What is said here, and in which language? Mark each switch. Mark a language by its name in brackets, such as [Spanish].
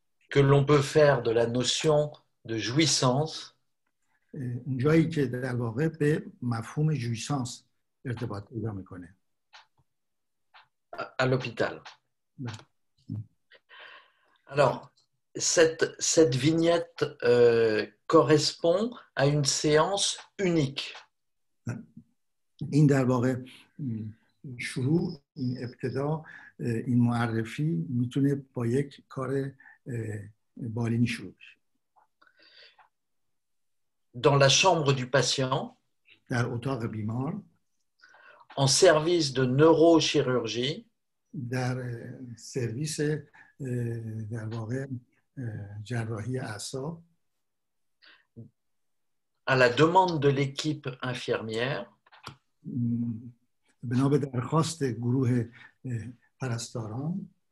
[French] Que l'on peut faire de la notion de jouissance. [Persian] جایی که در واقع به مفهوم جویسانس ارتباط پیدا میکنه. [French] À l'hôpital. Alors, cette vignette correspond à une séance unique. [Persian] این در واقع شروع این ابتدا این معرفی میتونه با یک کار بالینی شروع بشه. [French] Dans la chambre du patient, [Persian] در اتاق بیمار, [French] en service de neurochirurgie, [Persian] در سرویس در واقع جراحی اعصاب, [French] à la demande de l'équipe infirmière, [Persian] بنابرای درخواست گروه پرستاران,